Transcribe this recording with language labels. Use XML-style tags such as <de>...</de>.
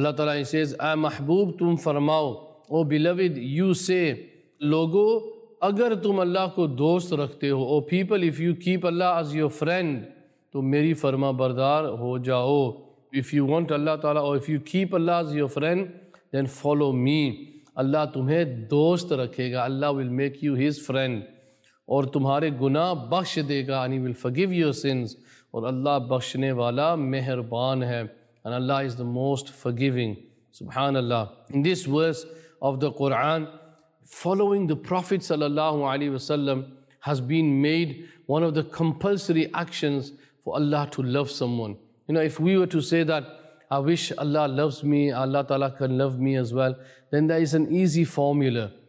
<en>Allah Ta'ala, he says,</en> <ur>اے محبوب تم فرماؤ,</ur> <en>O beloved you say,</en> <ur>لوگو اگر تم اللہ کو دوست رکھتے ہو,</ur> <en>O people if you keep Allah as your friend,</en> <ur>تو میری فرما بردار ہو جاؤ.</ur> <en>If you want Allah Ta'ala, or if you keep Allah as your friend, then follow me.</en> <ur>Allah تمہیں دوست رکھے گا.</ur> <en>Allah will make you his friend.</en> <ur>اور تمہارے گناہ بخش دے گا.</ur> <en>And he will forgive your sins.</en> <ur>اور اللہ بخشنے والا مہربان ہے.</ur> <en>And Allah is the most forgiving. سبحان اللہ. In this verse of the Quran, following the Prophet sallallahu alaihi wasallam has been made one of the compulsory actions for Allah to love someone. You know, if we were to say that, I wish Allah loves me, Allah Ta'ala can love me as well, then there is an easy formula.</en>